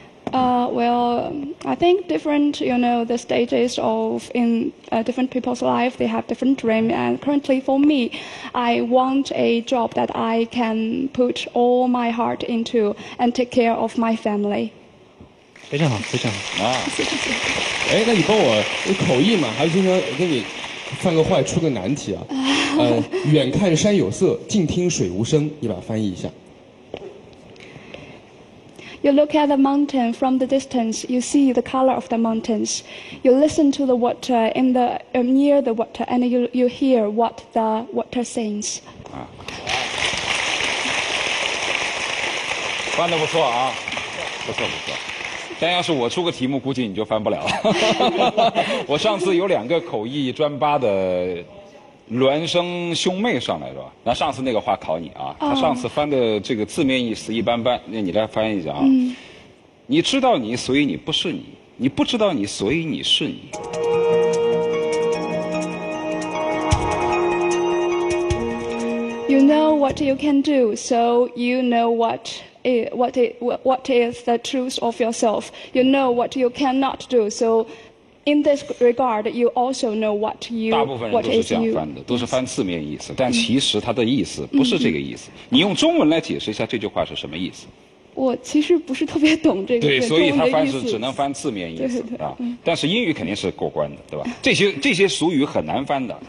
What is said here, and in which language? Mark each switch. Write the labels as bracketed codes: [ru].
[en] Well, I think different, you know, the stages of in different people's life, they have different dreams. And currently for me, I want a job that I can put all my heart into and take care of my family. [zh] 非常好，非常好啊！哎，那你帮我，你口译嘛，还是经常给你犯个坏，出个难题啊？远看山有色，近听水无声，你把它翻译一下。 [en] You look at the mountain from the distance, you see the color of the mountains. You listen to the water in the near the water, and you hear what the water sings. [zh] 啊，翻得不错啊，不错不错。但要是我出个题目，估计你就翻不了。我上次有两个口译专八的孪生兄妹上来是吧？那上次那个话考你啊，他上次翻的这个字面意思一般般，那你来翻译一下啊。你知道你，所以你不是你；你不知道你，所以你是你。 [en] You know what you can do, so you know what. What is the truth of yourself? You know what you cannot do. So, in this regard, you also know what you. [zh] 大部分人都是这样翻的，都是翻字面意思。但其实它的意思不是这个意思。你用中文来解释一下这句话是什么意思？我其实不是特别懂这个。对，所以他翻是只能翻字面意思啊。但是英语肯定是过关的，对吧？这些俗语很难翻的。